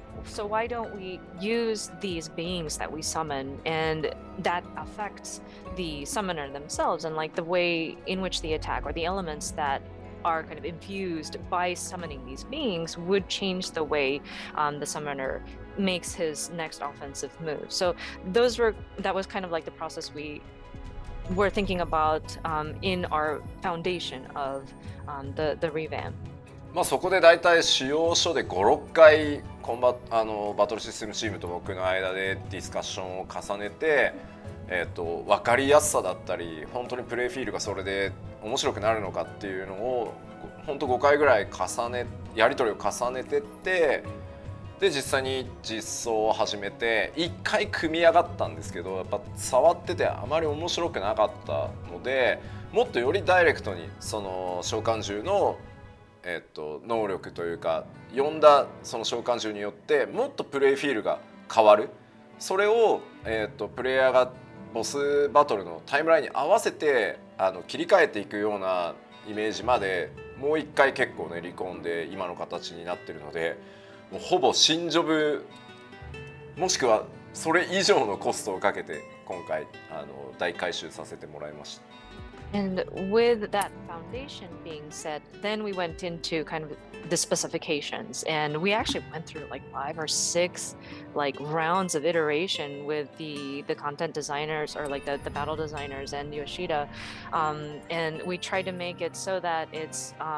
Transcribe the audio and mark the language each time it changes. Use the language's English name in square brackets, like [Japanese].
[English] So why don't we use these beings that we summon, and that affects the summoner themselves and like the way in which the attack or the elements that are kind of infused by summoning these beings would change the way the summoner makes his next offensive move. So those were, that was kind of like the process we were thinking about in our foundation of the revamp. [Japanese] まあそこで大体使用書で 5,6 回コンバ、あのバトルシステムチームと僕の間でディスカッションを重ねて、分かりやすさだったり本当にプレイフィールがそれで面白くなるのかっていうのを本当5回ぐらい重ね、やり取りを重ねてって、で実際に実装を始めて1回組み上がったんですけど、やっぱ触っててあまり面白くなかったので、もっとよりダイレクトにその召喚獣の能力というか呼んだその召喚獣によってもっとプレイフィールが変わる、それを、プレイヤーがボスバトルのタイムラインに合わせて切り替えていくようなイメージまでもう一回結構練り込んで今の形になっているので、もうほぼ新ジョブもしくはそれ以上のコストをかけて今回大改修させてもらいました。 [English] And with that foundation being set, then we went into kind of the specifications, and we actually went through like 5 or 6 like rounds of iteration with the content designers, or like the battle designers and Yoshida, and we tried to make it so that it's